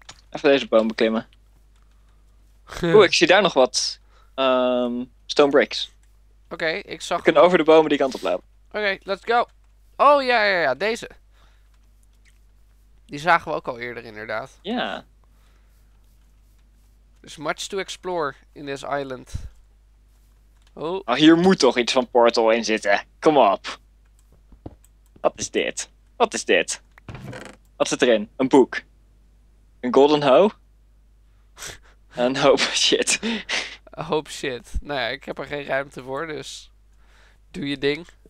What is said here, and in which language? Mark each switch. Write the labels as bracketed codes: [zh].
[nl] Even deze boom beklimmen. Oeh, ik zie daar nog wat. Stone bricks. Oké, ik zag... We kunnen over de bomen die kant op lopen. Oké, [en] let's go. [nl] Oh, ja, deze. Die zagen we ook al eerder, inderdaad. Ja. [en] Yeah. There's much to explore in this island. [nl] Oh. Oh, hier moet toch iets van portal in zitten. Kom op. Wat is dit? Wat zit erin? Een boek. Een golden hoe? Een hoop shit. Een hoop shit. Nou ja, ik heb er geen ruimte voor, dus... Doe je ding.